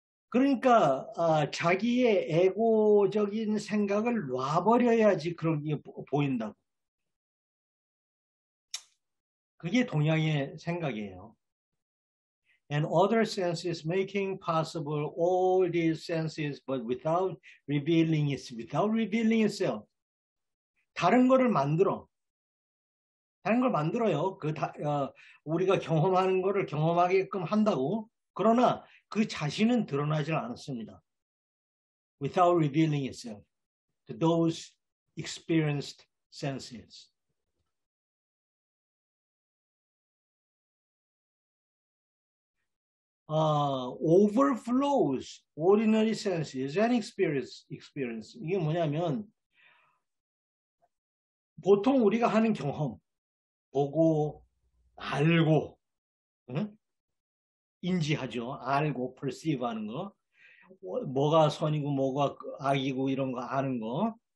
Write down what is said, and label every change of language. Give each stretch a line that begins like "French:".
Korean: 그러니까 자기의 에고적인 생각을 놔버려야지 그런 게 보인다고. 그게 동양의 생각이에요.
English: And other senses making possible all these senses, but without revealing itself.
Korean: 다른 거를 만들어. 다른 걸 만들어요. 우리가 경험하는 거를 경험하게끔 한다고. 그러나 그 자신은 드러나질 않습니다.
English: Without revealing itself to those experienced senses. overflows ordinary senses and experience.
Korean: 이게 뭐냐면, 보통 우리가 하는 경험, 보고, 알고, 응? 인지하죠. 알고, perceive 하는 거. 뭐가 선이고, 뭐가 악이고, 이런 거 아는 거.